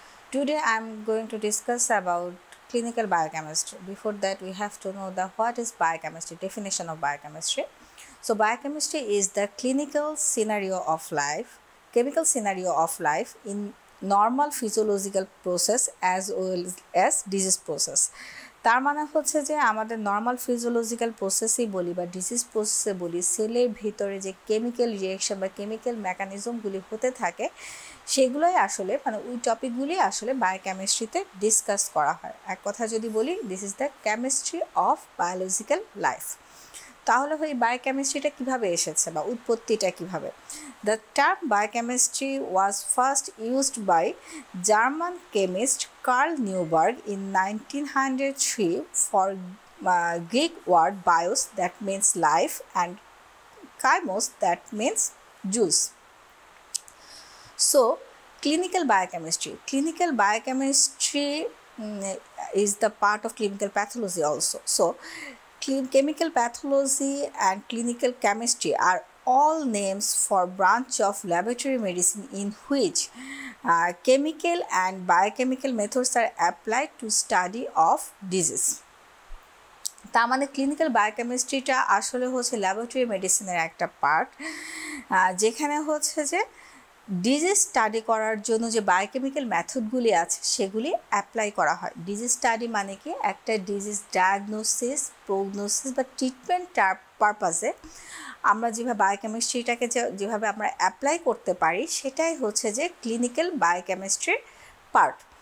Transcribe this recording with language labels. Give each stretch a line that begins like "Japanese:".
English: Today I am going to discuss about clinical biochemistry. Before that, we have to know what is biochemistry, definition of biochemistry. So biochemistry is the clinical scenario of life, chemical scenario of life in normal physiological process as well as disease process.
Bangla: তার মানে হচ্ছে যে আমাদের normal physiological প্রসেসই বলি বা disease প্রসেসে বলি, সেলের ভিতরে যে কেমিক্যাল রিয়াকশন বা কেমিক্যাল মেকানিজমগুলি হতে থাকে সেগুলোই আসলে, মানে ওই টপিকগুলি আসলে বায়োকেমিস্ট্রিতে ডিসকাস করা হয়। এক কথা যদি বলি,
English: This is the chemistry of biological life.
Bangla: তাহলে ওই বায়োকেমিস্ট্রিটা কীভাবে এসেছে বা উৎপত্তিটা কীভাবে?
English: The term biochemistry was first used by German chemist Karl Neuberg in 1903 for Greek word bios that means life and chymos that means juice. So clinical biochemistry, clinical biochemistry is the part of clinical pathology also. So chemical pathology and clinical chemistry are all names for branch of laboratory medicine in which chemical and biochemical methods are applied to study of disease.
Bangla: তার মানে clinical বায়োকেমিস্ট্রিটা আসলে হচ্ছে laboratory মেডিসিনের একটা part, যেখানে হচ্ছে যে disease study করার জন্য যে বায়োকেমিক্যাল মেথডগুলি আছে সেগুলি অ্যাপ্লাই করা হয়। ডিজিজ স্টাডি মানে কি, একটা ডিজিজ ডায়াগনোসিস, প্রোগনোসিস বা ট্রিটমেন্টের পারপাসে আমরা যেভাবে বায়োকেমিস্ট্রিটাকে যেভাবে আমরা অ্যাপ্লাই করতে পারি সেটাই হচ্ছে যে ক্লিনিক্যাল বায়োকেমিস্ট্রির পার্ট।